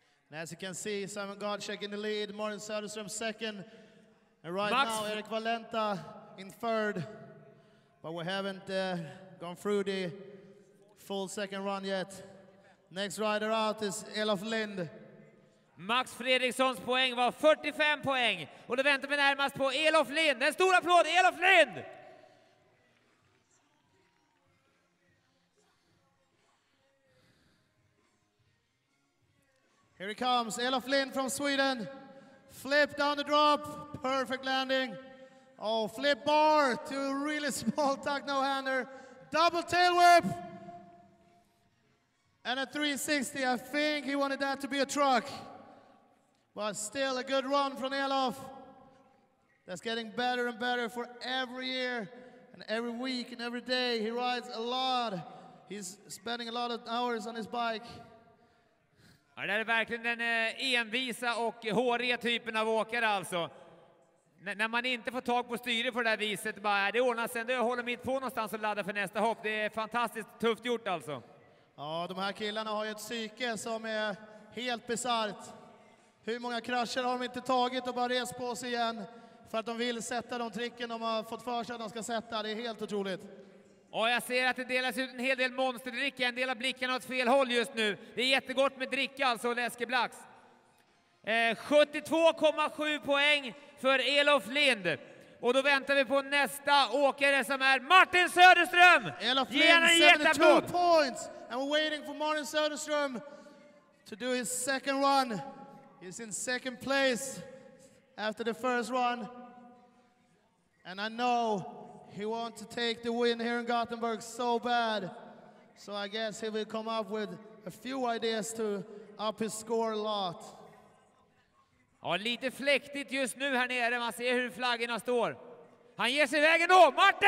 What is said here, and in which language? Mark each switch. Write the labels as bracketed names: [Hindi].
[English] And as you can see, Simon Gottschalk in the lead, Martin Söderström second, and right Max now Erik Valenta in third. But we haven't gone through the full second run yet. Next rider out is Elof Lind. [Swedish] Max Fredrikssons poäng var 45 poäng, och då väntar vi närmast på Elof Lind. En stor applåd, Elof Lind! [English] Here he comes, Elof Lind from Sweden. Flip down the drop, perfect landing. Oh, flip bar to a really small tuck no-hander. Double tail whip. And a 360, I think he wanted that to be a truck. But still a good run from Elof. That's getting better and better for every year and every week and every day. He rides a lot. He's spending a lot of hours on his bike. [Swedish] Ja, det är verkligen den envisa och håriga typen av åkare alltså. När man inte får tag på styret på det här viset, bara det ordnas ändå. Jag håller mitt på någonstans och laddar för nästa hopp. Det är fantastiskt tufft gjort alltså. Ja, de här killarna har ju ett psyke som är helt bisarrt. Hur många krascher har de inte tagit och bara res på sig igen för att de vill sätta de tricken de har fått för sig att de ska sätta. Det är helt otroligt. Ja, jag ser att det delas ut en hel del monsterdricka. En del av blickarna åt fel håll just nu. Det är jättegott med dricka alltså, läskeblax. 72,7 poäng för Elof Lind. Och då väntar vi på nästa åkare som är Martin Söderström! [English] Elof Lind, 72 points! And we're waiting for Martin Söderström to do his second run. He's in second place after the first run. And I know... He wants to take the win here in Gothenburg so bad. So I guess he will come up with a few ideas to up his score a lot. [Swedish] Ja, lite fläktigt just nu här nere. Man ser hur flaggorna står. Han ger sig vägen då, Martin!